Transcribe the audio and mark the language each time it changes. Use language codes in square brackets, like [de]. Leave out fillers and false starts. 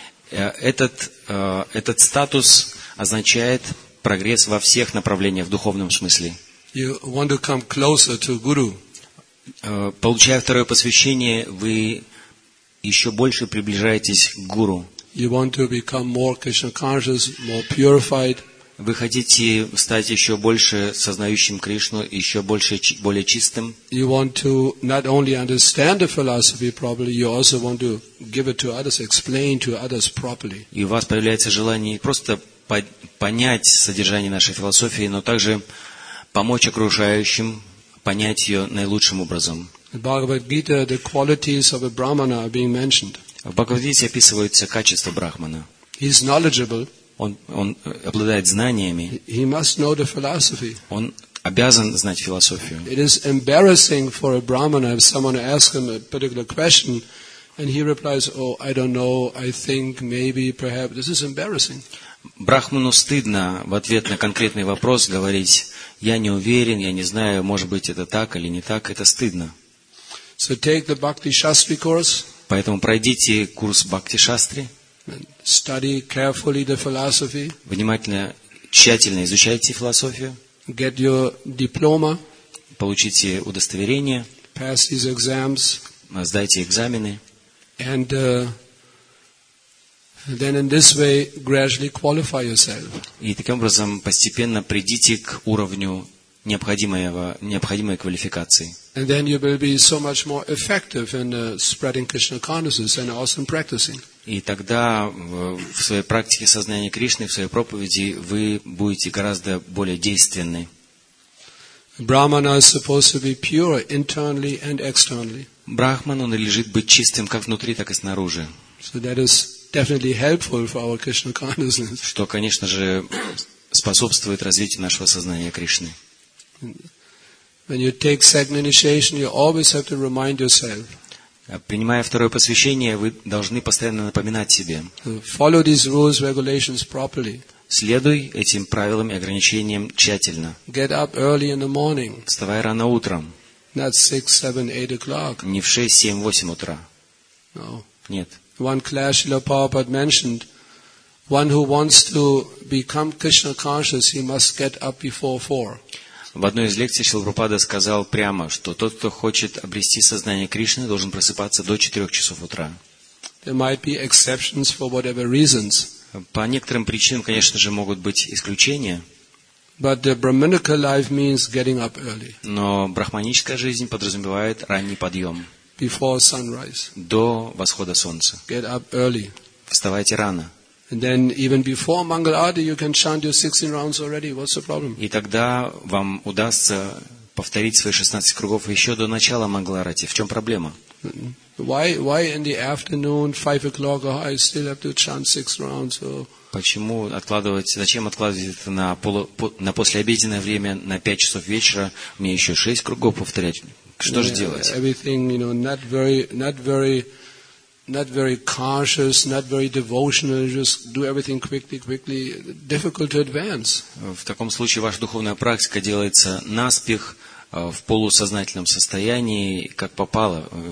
[ru] Этот статус означает прогресс во всех направлениях в духовном смысле. [en] You want to come closer to guru. [ru] Получая второе посвящение, вы еще больше приближаетесь к гуру. [en] You want to become more Krishna conscious, more purified. [ru] Вы хотите стать еще больше сознающим Кришну, еще больше, более чистым. [en] You want to not only understand the philosophy properly, you also want to give it to others, explain to others properly. [ru] И у вас появляется желание не просто понять содержание нашей философии, но также помочь окружающим понять ее наилучшим образом. [en] In Bhagavad Gita, the qualities of a Brahmana are being mentioned. [ru] В Бхагавад-гите описываются качества Брахмана. [en] He is knowledgeable. [ru] Он обладает знаниями. [en] He must know the philosophy. [ru] Он обязан знать философию. [en] It is embarrassing for a Brahmana if someone asks him a particular question and he replies, oh, I don't know, I think, maybe, perhaps. This is embarrassing. [ru] Брахману стыдно в ответ на конкретный вопрос говорить, я не уверен, я не знаю, может быть, это так или не так. Это стыдно. [en] So take the Bhakti Shastri course. [ru] Поэтому пройдите курс Бхакти Шастри. [en] Study carefully the philosophy. [ru] Внимательно, тщательно изучайте философию. [en] Get your diploma. [ru] Получите удостоверение. [en] Pass these exams. [ru] Сдайте экзамены. [en] And then in this way gradually qualify yourself. [ru] И таким образом постепенно придите к уровню необходимой квалификации. [en] And then you will be so much more effective in spreading Krishna consciousness and awesome practicing. [ru] И тогда в своей практике сознания Кришны, в своей проповеди вы будете гораздо более действенны. [en] Brahmana is supposed to be pure internally and externally. [ru] Брахман, он лежит быть чистым как внутри, так и снаружи. [en] So that is definitely helpful for our Krishna consciousness. [ru] Что, конечно же, способствует развитию нашего сознания Кришны. [en] When you take second initiation, you always have to remind yourself. [ru] Принимая второе посвящение, вы должны постоянно напоминать себе. [en] Follow these rules, regulations properly. [ru] Следуй этим правилам и ограничениям тщательно. [en] Get up early in the morning. [ru] Вставай рано утром. [en] Not 6, 7, 8 o'clock. [ru] Не в 6, 7, 8 утра. [en] No. [ru] Нет. [en] One class Srila Prabhupada mentioned, one who wants to become Krishna conscious, he must get up before 4. [ru] В одной из лекций Шрила Прабхупада сказал прямо, что тот, кто хочет обрести сознание Кришны, должен просыпаться до 4 часов утра. [en] There might be exceptions for whatever reasons. [ru] По некоторым причинам, конечно же, могут быть исключения. [en] But the brahminical life means getting up early. [ru] Но брахманическая жизнь подразумевает ранний подъем. [en] Before sunrise. [ru] До восхода солнца. [en] Get up early. [ru] Вставайте рано. [en] And then even before Mangal Aarti you can chant your 16 rounds already. What's the problem? [ru] И тогда вам удастся повторить свои 16 кругов еще до начала Мангал Аарти. В чем проблема? [en] Why in the afternoon 5 o'clock oh, I still have to chant 6 rounds? So... [ru] Почему откладывать? Зачем откладывать это на послеобеденное время на 5 часов вечера? Мне еще 6 кругов повторять. Что же делать? [en] Everything, you know, not very conscious, not very devotional, just do everything quickly, difficult to advance. [ru] В таком случае ваша духовная практика делается наспех, в полусознательном состоянии, как попало.